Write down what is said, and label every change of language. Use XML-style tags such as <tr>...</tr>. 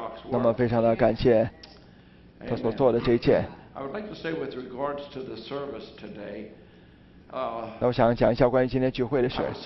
<zh>那么非常的感谢他所做的这一切。</zh> <en>I would like to say with regards to the service today,</en> <zh>那我想讲一下关于今天聚会的事。</zh>